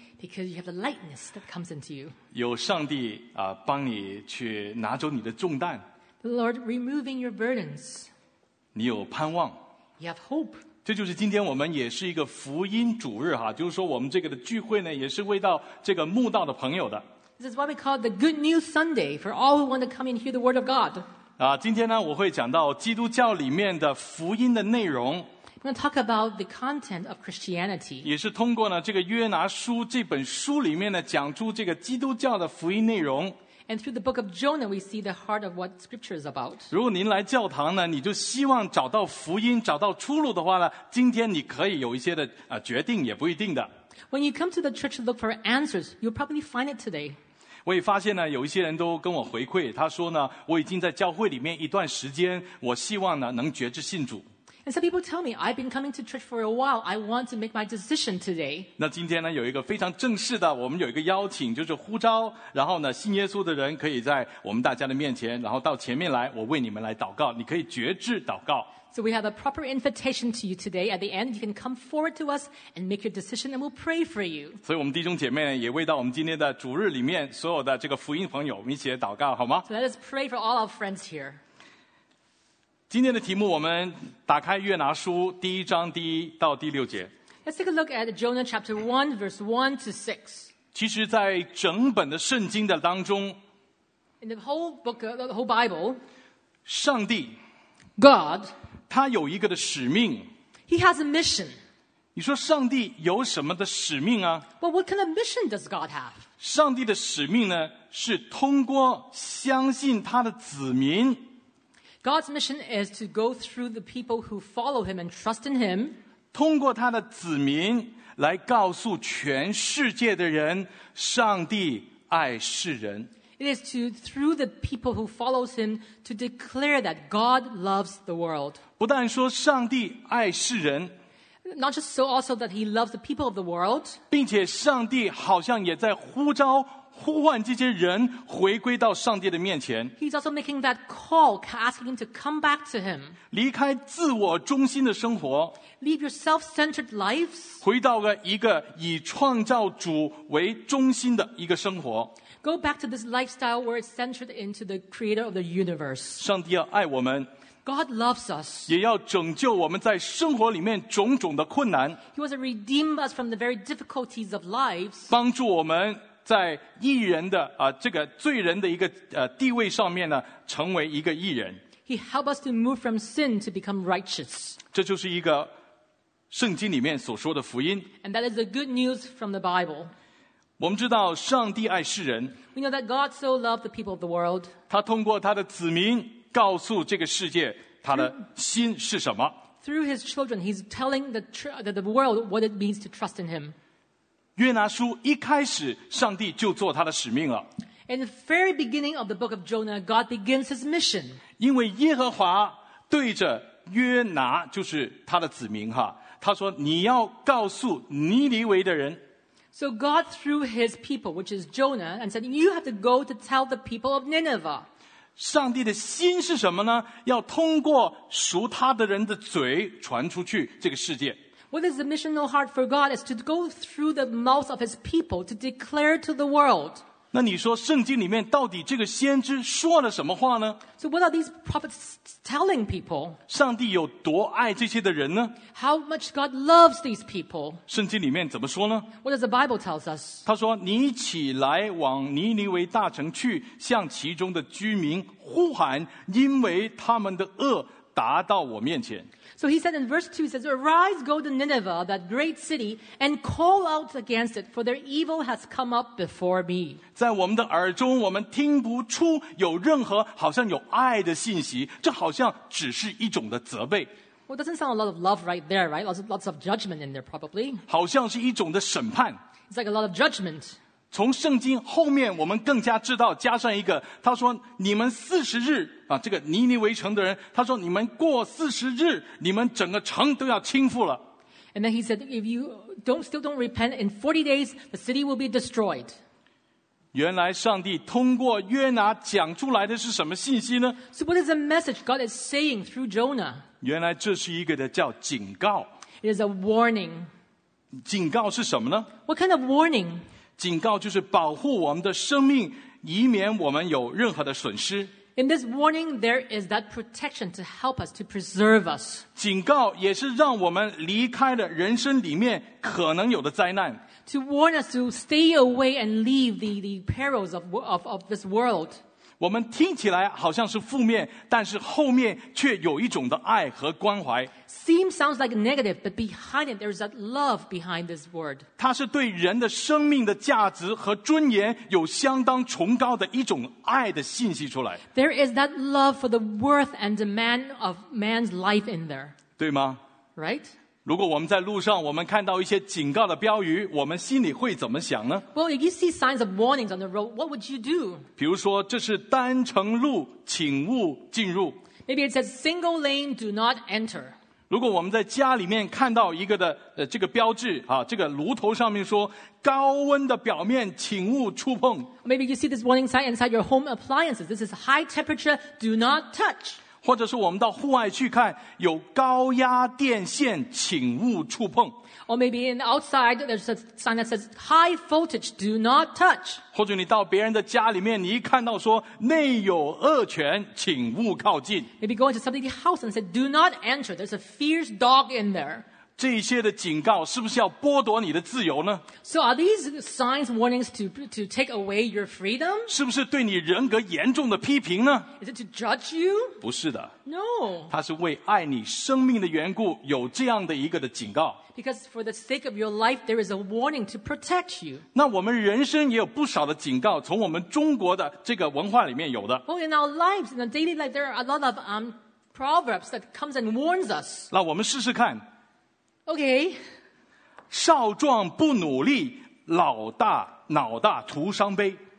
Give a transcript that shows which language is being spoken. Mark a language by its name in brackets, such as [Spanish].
[English] Because you have the lightness that comes into you. [Chinese] 有上帝啊，帮你去拿走你的重担。 [English] The Lord removing your burdens. [Chinese] 你有盼望。 [English] You have hope. [Chinese] 这就是今天我们也是一个福音主日哈，就是说我们这个的聚会呢，也是为到这个慕道的朋友的。 [English] This is why we call it the Good News Sunday for all who want to come and hear the Word of God. [Chinese] 啊，今天呢，我会讲到基督教里面的福音的内容。 [English] We're going to talk about the content of Christianity. [Chinese] 也是通过呢这个约拿书这本书里面呢，讲出这个基督教的福音内容。 [English] And through the book of Jonah, we see the heart of what Scripture is about. [Chinese] 如果您来教堂呢，你就希望找到福音，找到出路的话呢，今天你可以有一些的决定，也不一定的。 [English] When you come to the church to look for answers, you'll probably find it today. [Chinese] 我也发现呢，有一些人都跟我回馈，他说呢，我已经在教会里面一段时间，我希望呢能决志信主。 [English] And some people tell me, I've been coming to church for a while. I want to make my decision today. [Chinese] 那今天呢，有一个非常正式的，我们有一个邀请，就是呼召。然后呢，信耶稣的人可以在我们大家的面前，然后到前面来，我为你们来祷告。你可以决志祷告。 [English] So we have a proper invitation to you today. At the end, you can come forward to us and make your decision, and we'll pray for you. [Chinese] 所以我们弟兄姐妹也为到我们今天的主日里面所有的这个福音朋友，我们一起来祷告，好吗 [English] ？So let us pray for all our friends here. [Chinese] 今天的题目，我们打开约拿书第一章第一到第六节。 [English] Let's take a look at Jonah chapter 1, verse 1 to 6. [Chinese] 其实，在整本的圣经的当中 [English] ，In the whole book, the whole Bible, [Chinese] 上帝 [English] ，God， [Chinese] 他有一个的使命 [English] ，He has a mission. [Chinese] 你说上帝有什么的使命啊？ [English] Well, what kind of mission does God have? [Chinese] 上帝的使命呢，是通过相信他的子民。 [English] God's mission is to go through the people who follow him and trust in him. [Chinese] 通过他的子民来告诉全世界的人，上帝爱世人。 [English] It is to through the people who follow him to declare that God loves the world. [Chinese] 不但说上帝爱世人。 [English] Not just so also that he loves the people of the world. [Chinese] 并且上帝好像也在呼召呼唤这些人回归到上帝的面前。 [English] He's also making that call, asking him to come back to him. [Chinese] 离开自我中心的生活。 [English] Leave your self-centered lives. [Chinese] 回到了一个以创造主为中心的一个生活。 [English] Go back to this lifestyle where it's centered into the creator of the universe. [Chinese] 上帝要爱我们。 [English] God loves us. [Chinese] 也要拯救我们在生活里面种种的困难。 [English] He wants to redeem us from the very difficulties of lives. [Chinese] 帮助我们在义人的这个罪人的一个地位上面呢，成为一个义人。 [English] He helps us to move from sin to become righteous. [Chinese] 这就是一个圣经里面所说的福音。 [English] And that is the good news from the Bible. [Chinese] 我们知道上帝爱世人。 [English] We know that God so loved the people of the world. [Chinese] 他通过他的子民告诉这个世界他的心是什么。 [English] Through his children, he's telling the world what it means to trust in him. [Chinese] 约拿书一开始上帝就做他的使命了。 [English] In the very beginning of the book of Jonah, God begins his mission. [Chinese] 因为耶和华对着约拿就是他的子民哈，他说你要告诉尼尼微的人。 [English] So God through his people, which is Jonah, and said, you have to go to tell the people of Nineveh. [Chinese] 上帝的心是什么呢？要通过属他的人的嘴传出去这个世界。 [English] What is the missional heart for God is to go through the mouth of his people to declare to the world. [Chinese] 那你说圣经里面到底这个先知说了什么话呢？ [English] So what are these prophets telling people? [Chinese] 上帝有多爱这些的人呢？ [English] How much God loves these people? [Chinese] 圣经里面怎么说呢？ [English] What does the Bible tell us? [Chinese] 他说你起来往尼尼微大城去，向其中的居民呼喊，因为他们的恶达到我面前。 [English] So he said in verse 2, he says, Arise, go to Nineveh, that great city, and call out against it, for their evil has come up before me. [Chinese] 在我们的耳中，我们听不出有任何好像有爱的信息，这好像只是一种的责备。 [English] Well, doesn't sound a lot of love right there, right? Lots of judgment in there, probably. [Chinese] 好像是一种的审判。 [English] It's like a lot of judgment. [Chinese] 从圣经后面我们更加知道，加上一个，他说你们四十日这个尼尼微城的人，他说你们过四十日，你们整个城都要倾覆了。 [English] And then he said, if you still don't repent in 40 days, the city will be destroyed. [Chinese] 原来上帝通过约拿讲出来的是什么信息呢？ [English] So what is the message God is saying through Jonah? [Chinese] 原来这是一个的叫警告。 [English] It is a warning. [Chinese] 警告是什么呢？ [English] What kind of warning? [Chinese] 警告就是保护我们的生命，以免我们有任何的损失。 [English] In this warning, there is that protection to help us, to preserve us. [Chinese] 警告也是让我们离开了人生里面可能有的灾难。 [English] To warn us to stay away and leave the perils of this world. [Chinese] 我们听起来好像是负面，但是后面却有一种的爱和关怀。 [English] Seems sounds like negative, but behind it, there's that love behind this word. [Chinese] 它是对人的生命的价值和尊严有相当崇高的一种爱的信息出来。 [English] There is that love for the worth and demand of man's life in there. [Chinese] 对吗？ [English] Right? [Chinese] 如果我们在路上，我们看到一些警告的标语，我们心里会怎么想呢？ [English] Well, if you see signs of warnings on the road, what would you do? [Chinese] 比如说，这是单程路，请勿进入。 [English] Maybe it says single lane, do not enter. [Chinese] 如果我们在家里面看到一个的这个标志这个炉头上面说高温的表面请勿触碰。 [English] Maybe you see this warning sign inside your home appliances. This is high temperature, do not touch. [Chinese] 或者是我们到户外去看有高压电线请勿触碰。 [English] Or maybe in outside, there's a sign that says high voltage, do not touch. [Chinese] 或者你到别人的家里面你一看到说内有恶犬请勿靠近。 [English] Maybe go into somebody's house and say, do not enter, there's a fierce dog in there. [Chinese] 这些的警告是不是要剥夺你的自由呢 [English] ？So are these signs, warnings to take away your freedom？ [Chinese] 是不是对你人格严重的批评呢 [English] ？Is it to judge you？ [Chinese] 不是的 [English] ，No。 [Chinese] 它是为爱你生命的缘故，有这样的一个的警告。 [English] Because for the sake of your life, there is a warning to protect you。 [Chinese] 那我们人生也有不少的警告，从我们中国的这个文化里面有的。 [English] Well, in our lives, in our daily life, there are a lot of proverbs that comes and warns us。 [Chinese] 那我们试试看。 [English] Okay. [Chinese] 少壮不努力，老大脑大徒伤悲。